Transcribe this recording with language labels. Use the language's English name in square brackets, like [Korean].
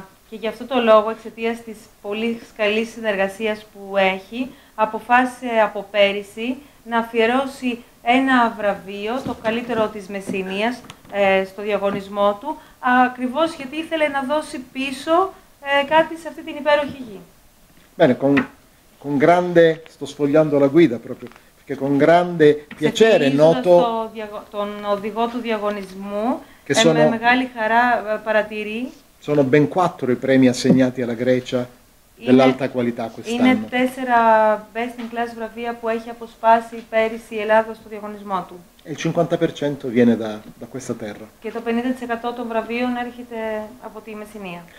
[Greek] Και για αυτό το λόγο, εξαιτίας της πολύ καλής συνεργασίας που έχει, αποφάσισε από πέρυσι να αφιερώσει ένα βραβείο, το καλύτερο της Μεσσηνίας, στο διαγωνισμό του, ακριβώς γιατί ήθελε να δώσει πίσω κάτι σε αυτή την υπέροχη γη. [Italian] Bene, con grande, sto sfogliando la guida proprio, perché con grande piacere noto [Greek] τον οδηγό του διαγωνισμού, [Italian] che sono, [Greek] με μεγάλη χαρά παρατηρεί. [Italian] Sono ben 4 i premi assegnati alla Grecia dell'alta qualità quest'anno. [Greek] Είναι 4 [English] best in class [Greek] βραβεία που έχει αποσπάσει πέρυσι η Ελλάδα στο διαγωνισμό του. [Italian] Il 50% viene da questa terra. [Greek] Και το 50% των βραβείων έρχεται από τη Μεσσηνία.